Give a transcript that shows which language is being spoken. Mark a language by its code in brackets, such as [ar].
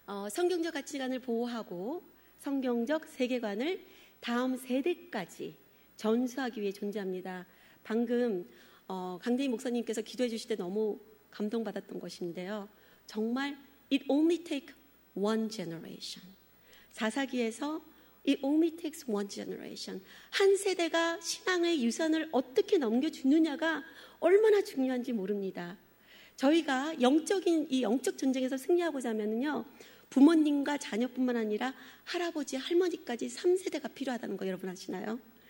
[ko] 성경적 가치관을 보호하고 성경적 세계관을 다음 세대까지 전수하기 위해 존재합니다. 방금 강대희 목사님께서 기도해 주실 때 너무 감동받았던 것인데요. 정말 [en] It only takes one generation. [ko] 사사기에서 [en] It only takes one generation. [ko] 한 세대가 신앙의 유산을 어떻게 넘겨주느냐가 얼마나 중요한지 모릅니다. 저희가 영적인 이 영적 전쟁에서 승리하고자 하면요, 부모님과 자녀뿐만 아니라 할아버지, 할머니까지 3세대가 필요하다는 거 여러분 아시나요?